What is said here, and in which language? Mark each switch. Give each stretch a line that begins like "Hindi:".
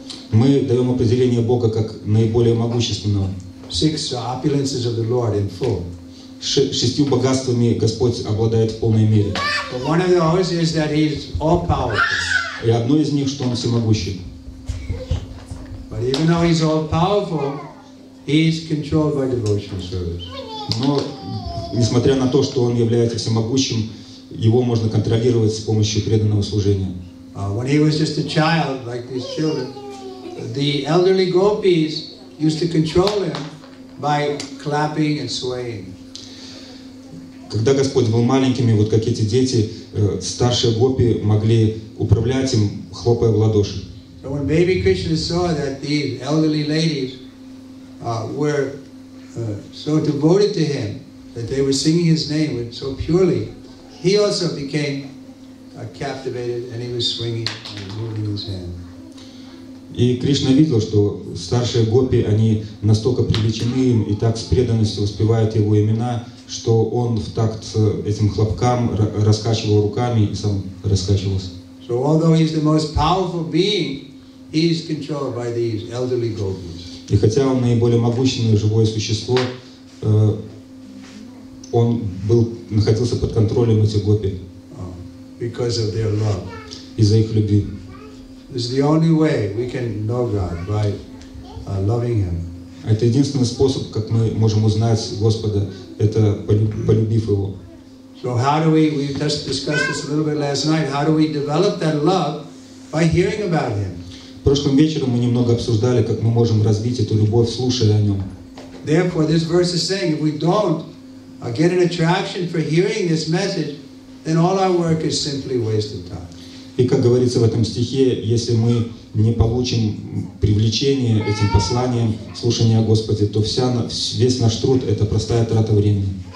Russian: Мы даем определение Бога как наиболее могущественного.
English: Six opulences of the Lord in full.
Russian: Шестью богатствами Господь обладает в полной мере.
English: But one of those is that He's all powerful.
Russian: И одно из них, что Он всемогущий.
English: But even though He's all powerful, He is controlled by devotional service.
Russian: Но несмотря на то, что Он является всемогущим, Его можно контролировать с помощью преданного служения.
English: When He was just a child, like these children, the elderly gopis used to control Him by clapping and swaying.
Russian: Когда Господь был маленьким, вот как эти дети, старшие гопи могли управлять им, хлопая в ладоши.
English: So when baby Krishna saw that these elderly ladies were so devoted to Him, that they were singing His name so purely, He also became captivated and He was swinging and moving His hand.
Russian: И Кришна видел, что старшие гопи, они настолько привлечены им и так с преданностью воспевают Его имена, что Он в такт этим хлопкам раскачивал руками и сам раскачивался.
English: So although He's the most powerful being, He is controlled by these elderly gopis.
Russian: И хотя Он наиболее могущественное живое существо, Он находился под контролем этих гопи.
English: Because of their love.
Russian: Из-за их любви.
English: This is the only way we can know God, by loving Him.
Russian: Это единственный способ, как мы можем узнать Господа, это полюбив Его.
English: So how do we just discussed this a little bit last night, how do we develop that love by hearing about Him?
Russian: Прошлым вечером мы немного обсуждали, как мы можем развить эту любовь, слушая о Нем.
English: Therefore, this verse is saying, if we don't get an attraction for hearing this message, then all our work is simply wasted time.
Russian: И как говорится в этом стихе, если мы не получим привлечение этим посланием, слушание о Господе, то весь наш труд — это простая трата времени.